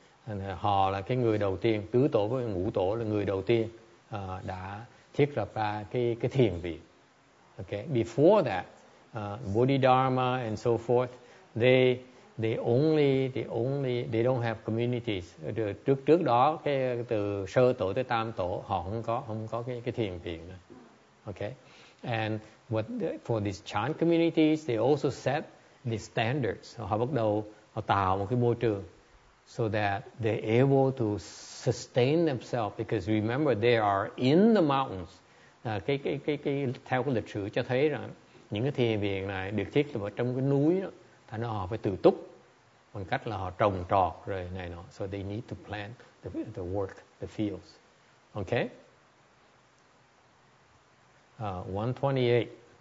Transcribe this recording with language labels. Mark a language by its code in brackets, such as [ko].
[vi] And họ là cái người đầu tiên, tứ tổ với ngũ tổ là người đầu tiên đã thiết lập ra cái thiền viện. [en] Okay. Before that, Bodhidharma and so forth, they don't have communities. [vi] Trước đó cái từ sơ tổ tới tam tổ họ không có cái thiền viện nữa. [en] Okay. And for these Chan communities, they also set the standards. [vi] Họ bắt đầu họ tạo một cái môi trường [en] so that they're able to sustain themselves, because remember they are in the mountains. [vi] Cái theo cái lịch sử cho thấy rằng những cái thiền viện này được thiết lập ở trong cái núi đó, thành ra họ phải tự túc bằng cách là họ trồng trọt rồi này nọ. [en] So they need to plant the work, the fields. Okay? 128.